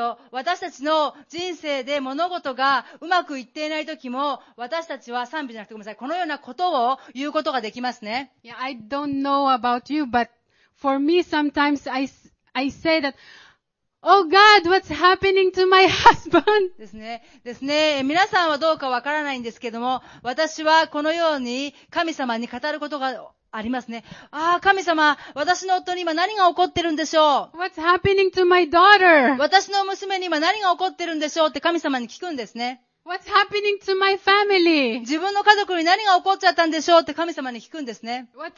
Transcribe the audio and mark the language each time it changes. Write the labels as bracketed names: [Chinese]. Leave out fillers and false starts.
[Japanese] 私たちの人生で物事がうまくいっていないときも、私たちは賛美じゃなくて、ごめんなさい。このようなことを言うことができますね。 [English] Yeah, I don't know about you, butFor me, sometimes I say that, Oh God, what's happening to my husband? [Japanese] ですね。ですね。皆さんはどうかわからないんですけども、私はこのように神様に語ることがありますね。ああ、神様、私の夫に今何が起こってるんでしょう [English] ?What's happening to my daughter? [Japanese] 私の娘に今何が起こってるんでしょうって神様に聞くんですね。 [English] What's happening to my family? [Japanese] 自分の家族に何が起こっちゃったんでしょうって神様に聞くんですね。